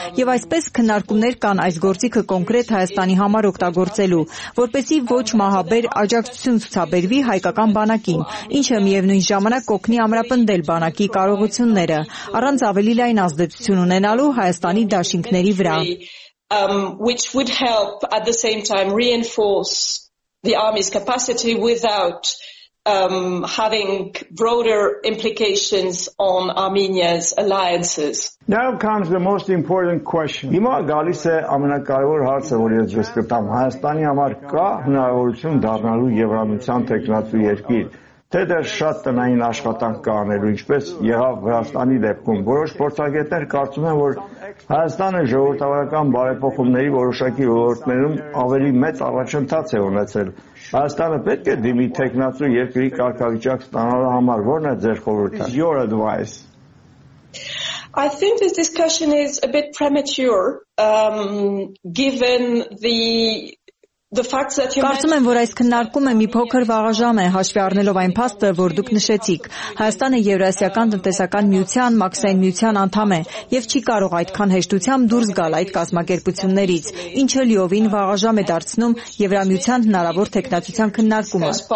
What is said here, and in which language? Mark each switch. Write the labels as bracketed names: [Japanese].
[Armenian] Եվ այսպես քննարկումներ կան այս գործիքը կոնկրետ Հայաստանի համար օգտագործելու, որպեսզի ոչ մահաբեր աջակցություն ցուցաբերվի հայկական բանակին, ինչը միևնույն ժամանակ կօգնի ամրապնդել բանակի կարողությունները առանց ավելի լայն ազդեցություն ունենալու Հայաստանի դաշինքների վրա։ [English] Which would help at the same time reinforce the army's capacity without having broader implications on Armenia's alliances. Now comes the most important question. [Armenian] Հիմա գալիս է ամենակարևոր հարցը, որ ես ձեզ կտամ։ Հայաստանի համար կա հնարավորություն դառնալու Եվրամիության թեկնածու երկիր, թե դեռ շատ տնային աշխատանք կա անելու, ինչպես եղավ Վրաստանի դեպքում։ Որոշ փորձագետներ կարծում են, որ Հայաստանը ժողովրդավարական բարեփոխումների որոշակի ոլորտներում ավելի մեծ առաջընթաց է ունեցել։ Հայաստանը պետք է դիմի թեկնածու երկրի կարգավիճակ ստանալու համար, որն է ձեր խորհուրդը։ [English] Your advice. I think this discussion is a bit premature, given the fact that you [Armenian] Կարծում եմ, որ այս քննարկումը մի փոքր վաղաժամ է, հաշվի առնելով այն փաստը, որ դուք նշեցիք. Հայաստանը Եվրասիական տնտեսական միության, Մաքսային միության անդամ է, և չի կարող այդքան հեշտությամբ դուրս գալ այդ կազմակերպություններից, ինչը լիովին վաղաժամ է դարձնում Եվրամիության հնարավոր թեկնածության քննարկումը.